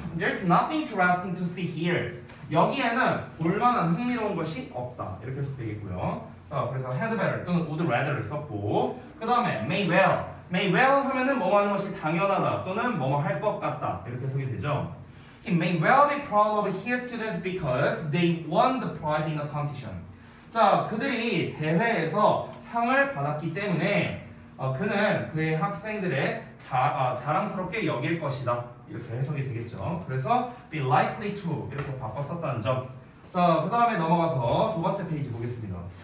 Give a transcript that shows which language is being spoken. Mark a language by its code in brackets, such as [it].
[en] There's nothing interesting to see here. [ko] 여기에는 볼만한 흥미로운 것이 없다 이렇게 해석되겠고요. 자, 그래서 had better 또는 would rather를 썼고, 그 다음에 may well. may well 하면은 뭐뭐 하는 것이 당연하다 또는 뭐뭐 할 것 같다 이렇게 해석이 되죠. [en] He may well be proud of his students because they won the prize in the competition. [ko] 자, 그들이 대회에서 상을 받았기 때문에 그는 그의 학생들의 자랑스럽게 여길 것이다 이렇게 해석이 되겠죠. 그래서 be likely to 이렇게 바꿔 썼다는 점. 자, 그 다음에 넘어가서 두 번째 페이지 보겠습니다.